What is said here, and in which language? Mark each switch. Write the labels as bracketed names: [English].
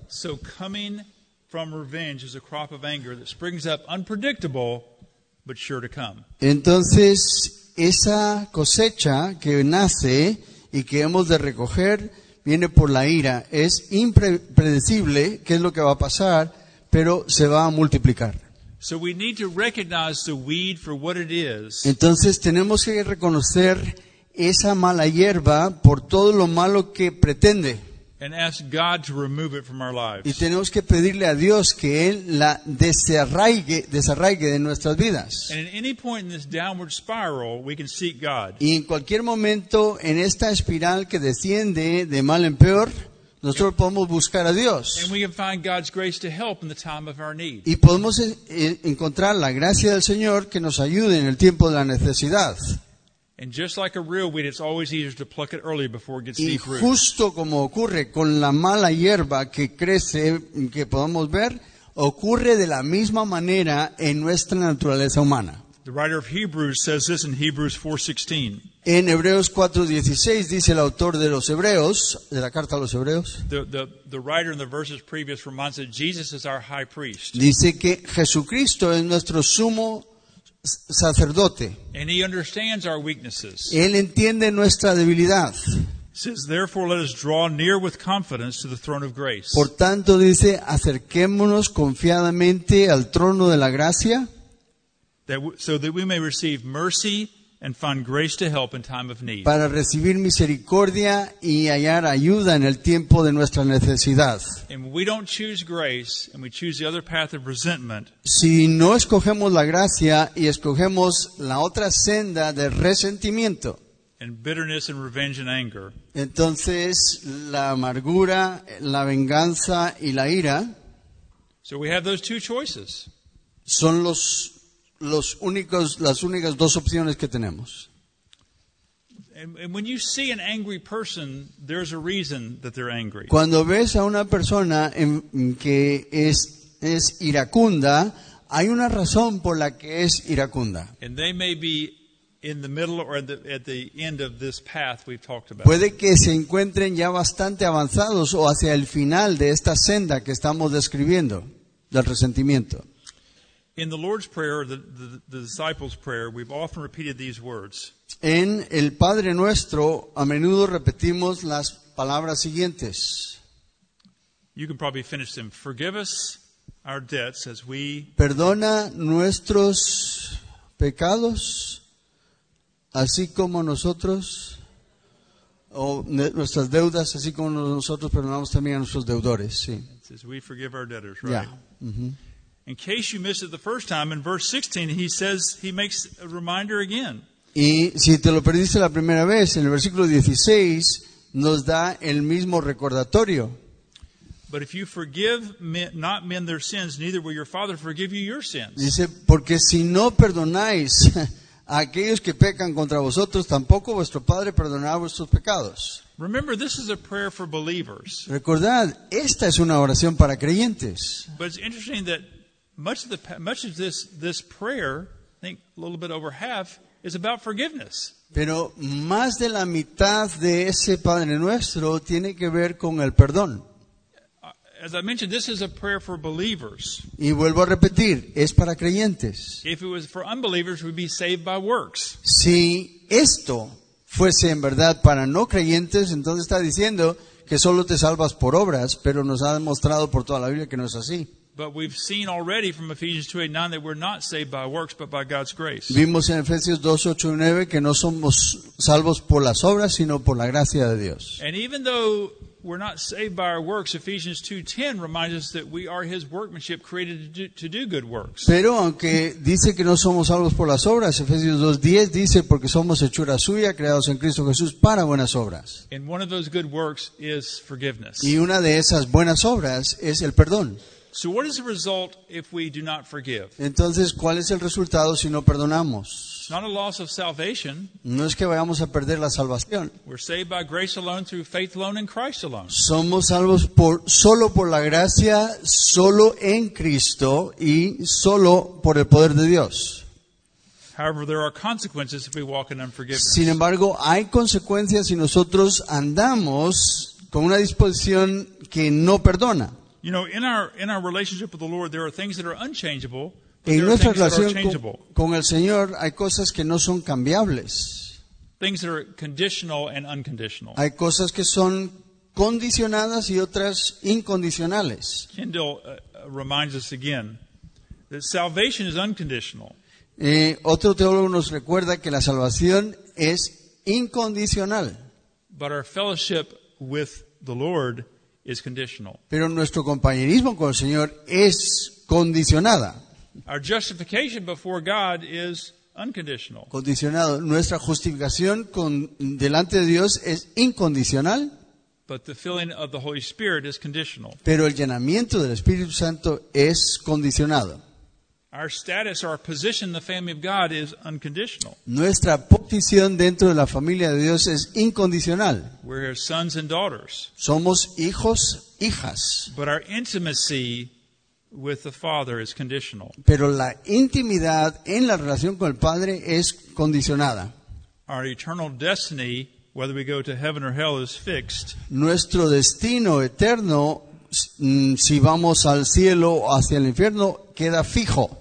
[English] So coming from revenge is a crop of anger that springs up unpredictable but sure to come. [Spanish] Entonces, esa cosecha que nace y que hemos de recoger viene por la ira. Es impredecible qué es lo que va a pasar, pero se va a multiplicar. [English] So we need to recognize the weed for what it is. [Spanish] Entonces tenemos que reconocer esa mala hierba por todo lo malo que pretende. [English] And ask God to remove it from our lives. [Spanish] Y tenemos que pedirle a Dios que Él la desarraigue de nuestras vidas. [English] And at any point in this downward spiral, we can seek God. [Spanish] Y en cualquier momento en esta espiral que desciende de mal en peor, nosotros podemos buscar a Dios. [English] And we can find God's grace to help in the time of our need. [Spanish] Y podemos encontrar la gracia del Señor que nos ayude en el tiempo de la necesidad. [English] And just like a real weed, it's always easier to pluck it early before it gets deep root. [Spanish] Y justo como ocurre con la mala hierba que crece, que podemos ver, ocurre de la misma manera en nuestra naturaleza humana. [English] The writer of Hebrews says this in Hebrews 4:16. [Spanish] En Hebreos 4:16 dice el autor de los Hebreos, de la carta a los Hebreos. [English] The writer in the verses previous reminds that Jesus is our high priest. [Spanish] Dice que Jesucristo es nuestro sumo sacerdote. [English] And he understands our weaknesses. [Spanish] Él entiende nuestra debilidad. [English] Says, therefore, let us draw near with confidence to the throne of grace. [Spanish] Por tanto, dice, acerquémonos confiadamente al trono de la gracia. [English] So that we may receive mercy and find grace to help in time of need. [Spanish] Para recibir misericordia y hallar ayuda en el tiempo de nuestra necesidad. [English] And we don't choose grace and we choose the other path of resentment. [Spanish] Si no escogemos la gracia y escogemos la otra senda de resentimiento. [English] And bitterness and revenge and anger. [Spanish] Entonces la amargura, la venganza y la ira. [English] So we have those two choices. [Spanish] Son las únicas dos opciones que tenemos. [English] And when you see an angry person, there's a reason that they're angry. [Spanish] Cuando ves a una persona que es iracunda, hay una razón por la que es iracunda. [English] And they may be in the middle or at the end of this path we've talked about. [Spanish] Puede que se encuentren ya bastante avanzados o hacia el final de esta senda que estamos describiendo del resentimiento. [English] In the Lord's Prayer, the disciples' prayer, we've often repeated these words. [Spanish] En el Padre Nuestro, a menudo repetimos las palabras siguientes. [English] You can probably finish them. Forgive us our debts as we... [Spanish] Perdona nuestros pecados, así como nosotros... O nuestras deudas, así como nosotros perdonamos también a nuestros deudores, sí. [English] It says we forgive our debtors, right? Yeah. Mm-hmm. In case you missed it the first time, in verse 16, he says, he makes a reminder again. [Spanish] Y si te lo perdiste la primera vez, en el versículo 16, nos da el mismo recordatorio. [English] But if you forgive not men their sins, neither will your Father forgive you your sins. [Spanish] Dice, porque si no perdonáis a aquellos que pecan contra vosotros, tampoco vuestro Padre perdonará vuestros pecados. [English] Remember, this is a prayer for believers. [Spanish] Recordad, esta es una oración para creyentes. [English] But it's interesting that much of this prayer, I think a little bit over half, is about forgiveness. [Spanish] Pero más de la mitad de ese Padre Nuestro tiene que ver con el perdón. [English] As I mentioned, this is a prayer for believers. [Spanish] Y vuelvo a repetir, es para creyentes. [English] If it was for unbelievers, we'd be saved by works. [Spanish] Si esto fuese en verdad para no creyentes, entonces está diciendo que solo te salvas por obras, pero nos ha demostrado por toda la Biblia que no es así. [English] But we've seen already from Ephesians 2:8-9 that we're not saved by works but by God's grace. [Spanish] Vimos en Efesios 2:8-9 que no somos salvos por las obras sino por la gracia de Dios. [English] And even though we're not saved by our works, Ephesians 2:10 reminds us that we are his workmanship created to do good works. [Spanish] Pero aunque dice que no somos salvos por las obras, Efesios 2:10 dice porque somos hechura suya, creados en Cristo Jesús para buenas obras. [English] And one of those good works is forgiveness. [Spanish] Y una de esas buenas obras es el perdón. [English] So what is the result if we do not forgive? [Spanish] Entonces, ¿cuál es el resultado si no perdonamos? [English] It's not a loss of salvation. [Spanish] No es que vayamos a perder la salvación. [English] We're saved by grace alone through faith alone in Christ alone. [Spanish] Somos salvos por solo por la gracia, solo en Cristo y solo por el poder de Dios. [English] However, there are consequences if we walk in unforgiveness. [Spanish] Sin embargo, hay consecuencias si nosotros andamos con una disposición que no perdona. [English] You know, in our relationship with the Lord, there are things that are unchangeable. [Spanish] En nuestra relación con el Señor hay cosas que no son cambiables. [English] Things that are conditional and unconditional. [Spanish] Hay cosas que son condicionadas y otras incondicionales. [English] Kendall reminds us again that salvation is unconditional. [Spanish] Otro teólogo nos recuerda que la salvación es incondicional. [English] But our fellowship with the Lord is conditional. [Spanish] Pero nuestro compañerismo con el Señor es condicionada. [English] Our justification before God is unconditional. [Spanish] Condicionado. Nuestra justificación delante de Dios es incondicional. [English] But the filling of the Holy Spirit is conditional. [Spanish] Pero el llenamiento del Espíritu Santo es condicionado. [English] Our status, our position in the family of God is unconditional. [Spanish] Nuestra posición dentro de la familia de Dios es incondicional. [English] We're his sons and daughters. [Spanish] Somos hijos, hijas. [English] But our intimacy with the Father is conditional. [Spanish] Pero la intimidad en la relación con el Padre es condicionada. [English] Our eternal destiny, whether we go to heaven or hell, is fixed. [Spanish] Nuestro destino eterno, si vamos al cielo o hacia el infierno, queda fijo.